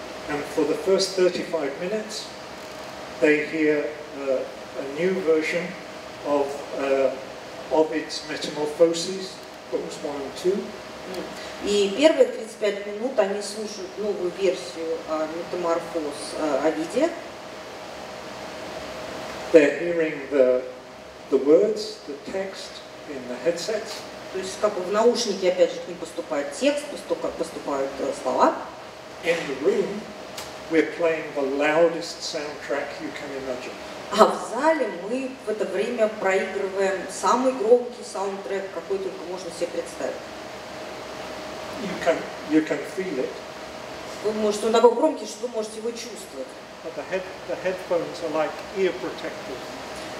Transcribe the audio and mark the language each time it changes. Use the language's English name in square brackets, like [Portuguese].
[English] And for the first 35 minutes they hear a new version of Ovid's Metamorphoses, books 1 and 2. [Russian] И первые 35 минут они слушают новую версию Метаморфоз Овидия. [English] They're hearing the words, the text in the headsets. [Russian] То есть как бы в наушники опять же к ним поступает текст, поступают слова. [English] In the room we're playing the loudest soundtrack you can imagine. [Russian] А в зале мы в это время проигрываем самый громкий саундтрек, какой только можно себе представить. [English] You can feel it. [Russian] Вы можете, он такой громкий, что вы можете его чувствовать. [English] But the headphones are like ear protectors.